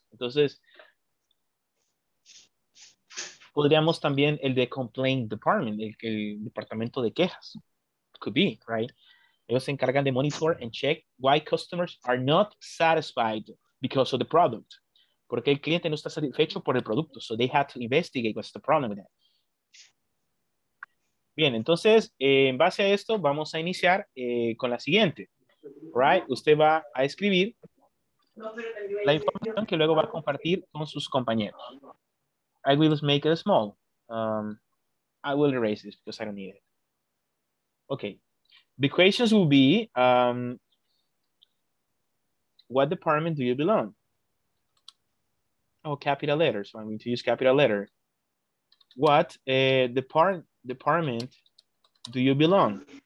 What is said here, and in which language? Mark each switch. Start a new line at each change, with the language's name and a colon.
Spanish: Entonces, podríamos también el de complaint department, el departamento de quejas.
English: Could be, right?
Spanish: Ellos se encargan de
English: monitor and check why customers are not satisfied because of the product.
Spanish: Porque el cliente no está satisfecho por el producto.
English: So they have to investigate what's the problem with that.
Spanish: Bien, entonces, en base a esto, vamos a iniciar con la siguiente. Right? Usted va a escribir la información que luego va a compartir con sus compañeros.
English: I will make it small. I will erase this because I don't need it. Okay. The questions will be, what department do you belong? Oh, capital letters. So I'm going to use capital letter. What department do you belong?